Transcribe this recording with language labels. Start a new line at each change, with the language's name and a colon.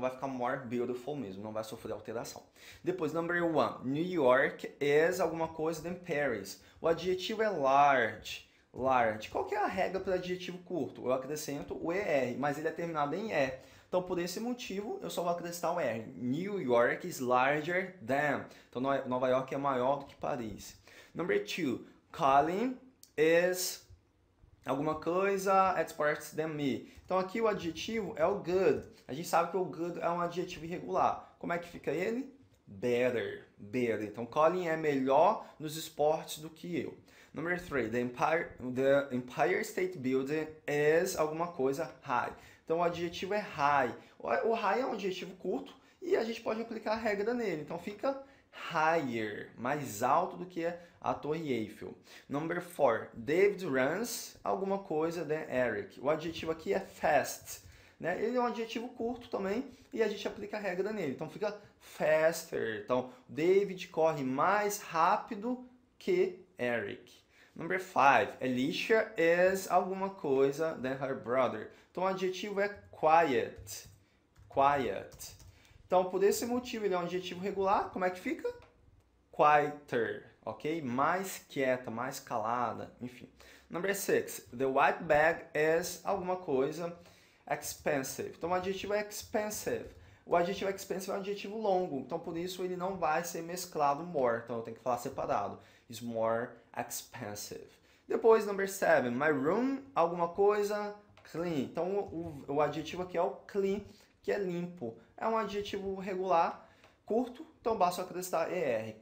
Portuguese: Então vai ficar
English: more beautiful
Portuguese: mesmo, não vai sofrer alteração. Depois,
English: number one, New York is
Portuguese: alguma coisa
English: than Paris.
Portuguese: O adjetivo é large. Large. Qual que é a regra para adjetivo curto? Eu acrescento o er, mas ele é terminado em e. Então, por esse motivo, eu só vou acrescentar o r.
English: New York is larger than.
Portuguese: Então, Nova York é maior do que Paris.
English: Number two, Colin is
Portuguese: alguma coisa
English: at parts than me.
Portuguese: Então, aqui o adjetivo é o good. A gente sabe que o good é um adjetivo irregular. Como é que fica ele?
English: Better, better.
Portuguese: Então, Colin é melhor nos esportes do que eu.
English: Number three, the Empire State Building is
Portuguese: alguma coisa
English: high.
Portuguese: Então, o adjetivo é high. O high é um adjetivo curto e a gente pode aplicar a regra nele. Então, fica higher, mais alto do que a Torre Eiffel.
English: Number four, David runs
Portuguese: alguma coisa
English: than Eric.
Portuguese: O adjetivo aqui é fast. Né? Ele é um adjetivo curto também e a gente aplica a regra nele. Então fica faster. Então, David corre mais rápido que Eric.
English: Number five, Alicia is
Portuguese: alguma coisa
English: than her brother.
Portuguese: Então, o adjetivo é quiet. Quiet. Então, por esse motivo, ele é um adjetivo regular. Como é que fica? Quieter, ok? Mais quieta, mais calada, enfim.
English: Number six, the white bag is
Portuguese: alguma coisa
English: expensive.
Portuguese: Então, o adjetivo é expensive. O adjetivo expensive é um adjetivo longo. Então, por isso, ele não vai ser mesclado more. Então, eu tenho que falar separado.
English: It's more expensive.
Portuguese: Depois,
English: number seven, my room,
Portuguese: alguma coisa
English: clean.
Portuguese: Então, o adjetivo aqui é o clean, que é limpo. É um adjetivo regular, curto. Então, basta acrescentar er.